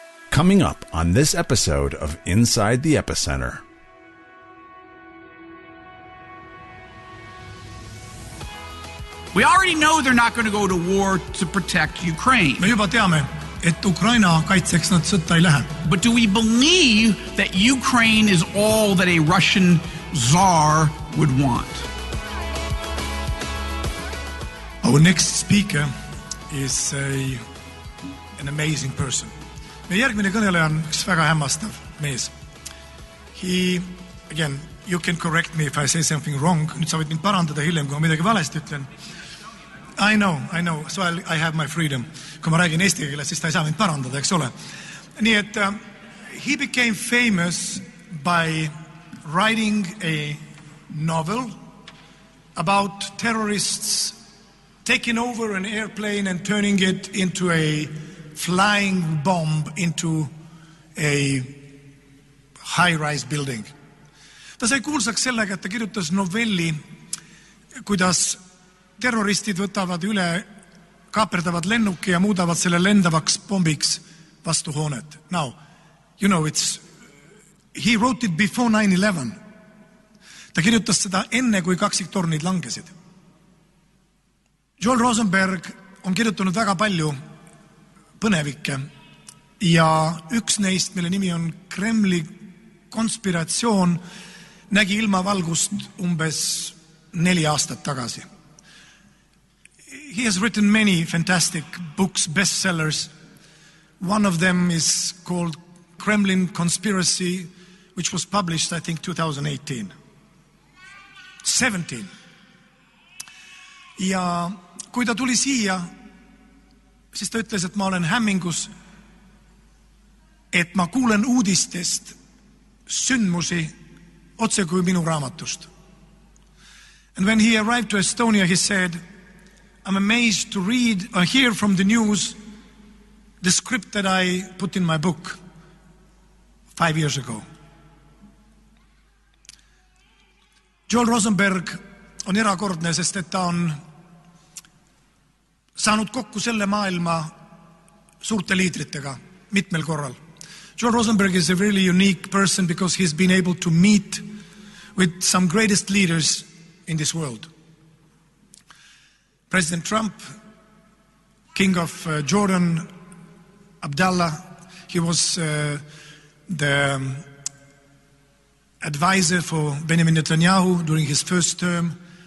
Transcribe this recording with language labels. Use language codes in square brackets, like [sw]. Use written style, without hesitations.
[en] coming up on this episode of Inside the Epicenter. We already know they're not going to go to war to protect Ukraine. [et] Ma juba teame, et Ukraina kaitseks nad sõtta ei lähe. [en] But do we believe that Ukraine is all that a Russian czar would want? Our next speaker is an amazing person. [et] Meie järgmine kõneleja on üks väga hämmastav mees. [en] He, again, you can correct me if I say something wrong. [et] Nüüd sa võid mind parandada hiljem, kui ma midagi valesti ütlen. [en] I know, so I have my freedom. [et] Kui ma räägin eesti keeles, siis ta ei saa mind parandada, eks ole? Nii et, [en] he became famous by writing a novel about terrorists taking over an airplane and turning it into a flying bomb into a high-rise building. [et] Ta sai kuulsaks sellega, et ta kirjutas novelli, kuidas terroristid võtavad üle, kaaperdavad lennuki ja muudavad selle lendavaks pommiks vastu hoonet. [en] Now, you know, he wrote it before 9/11. [et] Ta kirjutas seda enne, kui kaksiktornid langesid. Joel Rosenberg on kirjutanud väga palju põnevike ja üks neist, mille nimi on Kremli konspiratsioon, nägi ilma valgust umbes 4 aastat tagasi. [en] He has written many fantastic books, bestsellers. One of them is called Kremlin Conspiracy, which was published, I think, 2017. [et] Ja kui ta tuli siia, siis ta ütles, et ma olen hämmingus, et ma kuulen uudistest sündmusi otse kui minu raamatust. [en] And when he arrived to Estonia, he said, I'm amazed to read or hear from the news the script that I put in my book 5 years ago. [et] Joel Rosenberg on erakordne, sest et ta on saanud kokku selle maailma suurte liidritega mitmel korral. [en] Joel Rosenberg is a really unique person because he's been able to meet with some greatest leaders in this world. President Trump, King of Jordan, Abdullah, he was the advisor for Benjamin Netanyahu during his first term.